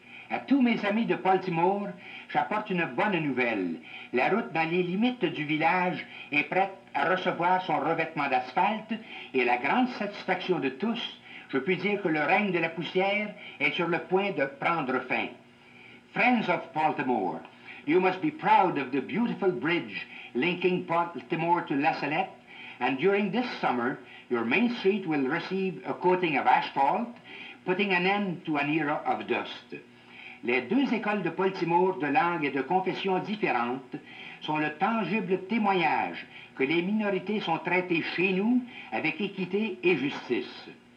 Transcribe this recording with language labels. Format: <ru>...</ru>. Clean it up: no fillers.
<fr>À tous mes amis de Baltimore, j'apporte une bonne nouvelle. La route dans les limites du village est prête à recevoir son revêtement d'asphalte et la grande satisfaction de tous, je puis dire que le règne de la poussière est sur le point de prendre fin.</fr> <en>Friends of Baltimore, you must be proud of the beautiful bridge linking Baltimore to La Salette, and during this summer, your main street will receive a coating of asphalt, putting an end to an era of dust.</en> <fr>Les deux écoles de Baltimore, de langues et de confessions différentes, sont le tangible témoignage que les minorités sont traitées chez nous avec équité et justice.</fr>